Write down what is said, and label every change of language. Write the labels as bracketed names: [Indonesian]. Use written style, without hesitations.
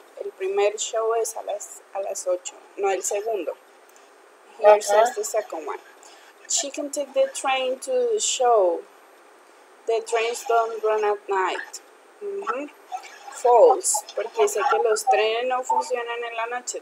[Spanish] El primer show es a las 8, no el segundo. [English] Here says the second one. She can take the train to the show. The trains don't run at night. Mm-hmm. [Spanish] False, porque dice que los trenes no funcionan en la noche.